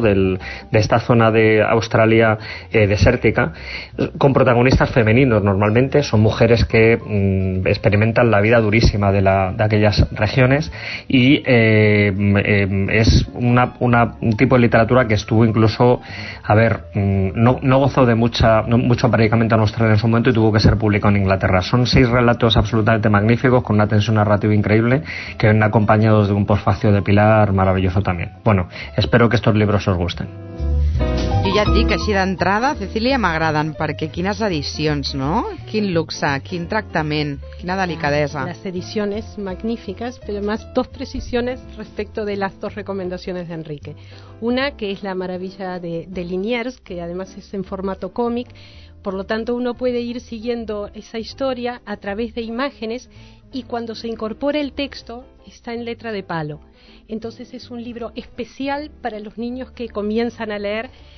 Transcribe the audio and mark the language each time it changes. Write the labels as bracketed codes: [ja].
[es] De esta zona de Australia desértica, con protagonistas femeninos normalmente, son mujeres que experimentan la vida durísima de aquellas regiones, y es una tipo de literatura que estuvo incluso, no gozó de mucho predicamento en Australia en su momento y tuvo que ser publicado en Inglaterra. Son 6 relatos absolutamente magníficos, con una tensión narrativa increíble, que ven acompañados de un posfacio de Pilar maravilloso también. Bueno, espero que estos libros os gusten. [ca] Jo ja et dic, així d'entrada, Cecília, m'agraden, perquè quines edicions, no? Quin luxe, quin tractament, quina delicadesa. [es] Les ediciones magníficas, pero más dos precisiones respecto de las dos recomendaciones de Enrique. Una, que es la maravilla de Liniers, que además es en formato cómic, por lo tanto uno puede ir siguiendo esa historia a través de imágenes y cuando se incorpora el texto está en letra de palo. Entonces es un libro especial para los niños que comienzan a leer